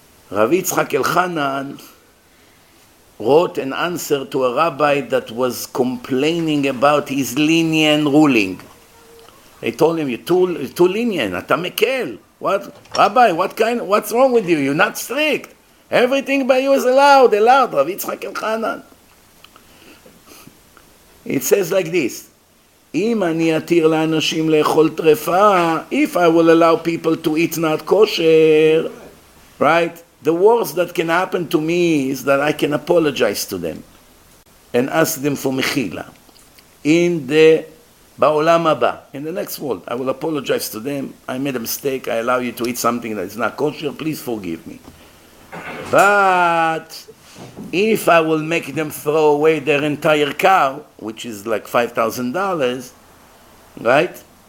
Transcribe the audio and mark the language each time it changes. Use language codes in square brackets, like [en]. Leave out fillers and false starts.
[en] Rav Yitzchak Elchanan wrote an answer to a rabbi that was complaining about his lenient ruling. They told him, you're too lenient. [he] Ata mekel. [en] What? Rabbi, what's wrong with you? You're not strict. Everything by you is allowed, Rav Yitzchak Elchanan. It says like this. [he] אם אני אתיר לאנשים לאכול טרפה, [en] if I will allow people to eat not kosher, right? The worst that can happen to me is that I can apologize to them and ask them for mechila. In the [he] בעולם הבא, [en] in the next world, I will apologize to them. I made a mistake. I allow you to eat something that is not kosher. Please forgive me. But if I will make them throw away their entire cow, which is like $5,000, right?